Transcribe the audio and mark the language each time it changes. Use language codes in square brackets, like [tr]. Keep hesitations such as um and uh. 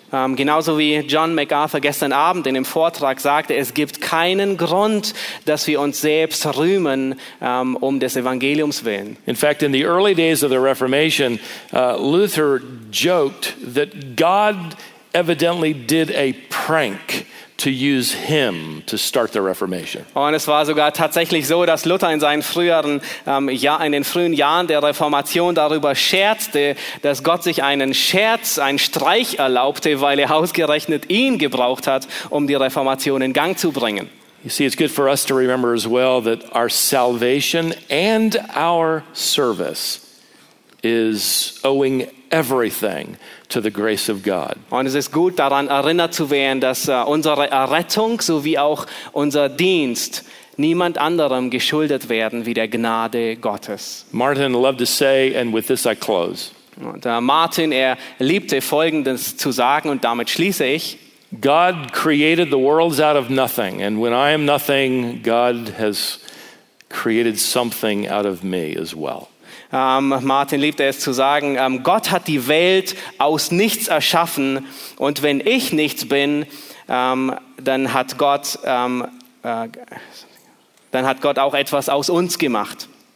[de] Genau um, genauso wie John MacArthur gestern Abend in dem Vortrag sagte, es gibt keinen Grund, dass wir uns selbst rühmen um, um des Evangeliums willen. [en] In fact, in the early days of the Reformation, uh, Luther joked that God evidently did a prank. [de] Und es war sogar tatsächlich so, dass Luther in seinen früheren den frühen Jahren der Reformation darüber scherzte, dass Gott sich einen Scherz, einen Streich erlaubte, weil er ausgerechnet ihn gebraucht hat, um die Reformation in Gang zu bringen. [en] You see it's good for us to remember as well that our salvation and our service is owing everything to the grace of God. [de] Und es ist gut daran erinnert zu werden, dass uh, unsere Errettung sowie auch unser Dienst niemand anderem geschuldet werden wie der Gnade Gottes. [en] Martin loved to say and with this I close. [de] Und, uh, Martin er liebte folgendes zu sagen und damit schließe ich. [en] God created the worlds out of nothing and when I am nothing God has created something out of me as well. [de] Um, Martin liebt es zu sagen, um, Gott hat die Welt aus nichts erschaffen und wenn ich nichts bin, um, dann, hat Gott, uh, dann hat Gott auch etwas aus uns gemacht.